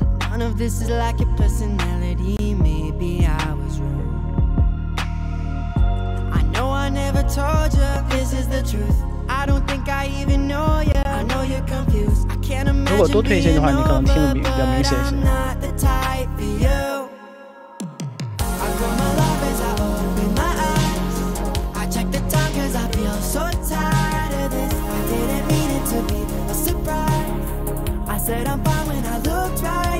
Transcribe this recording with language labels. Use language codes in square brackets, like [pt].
[en] None of this is like your personality. Maybe I was wrong. I know I never told you this is the truth. I don't think I even know you. I know you're confused. I can't imagine. [zh] 如果多推一些的话，你可能听得比较明显一些。 [en] I'm not the type for you. I grow my love as I open my eyes. I check the time 'cause I feel so tired of this. I didn't mean it to be a surprise. I said I'm fine when I looked right.